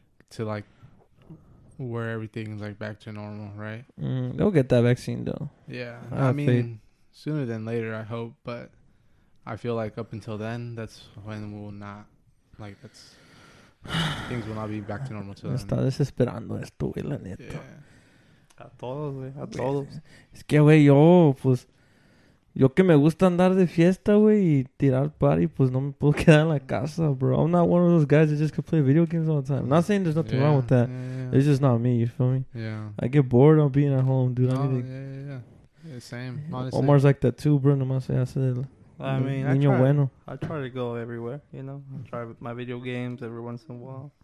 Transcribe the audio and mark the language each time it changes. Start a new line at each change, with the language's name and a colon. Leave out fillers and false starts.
English: To like where everything's like back to normal, right? Go get that vaccine though. Yeah. I mean, faith. Sooner than later, I hope. But I feel like up until then, that's when we'll not, like, that's things will not be back to normal. Till
Spanish: me está desesperando esto, güey, la neta. Yeah. A todos, güey. A todos. Es que, güey, yo, pues, yo que me gusta andar de fiesta, güey, y tirar party, pues no me puedo quedar en la casa, bro.
English: I'm not one of those guys that just can play video games all the time. I'm not saying there's nothing wrong with that. Yeah. It's just not me, you feel me? Yeah. I get bored of being at home, dude. No, I think, yeah. Same. Honestly. Omar's like that too, bro.
Spanish: No más,
English: yeah, I try to go everywhere, you know? I try my video games every once in a while.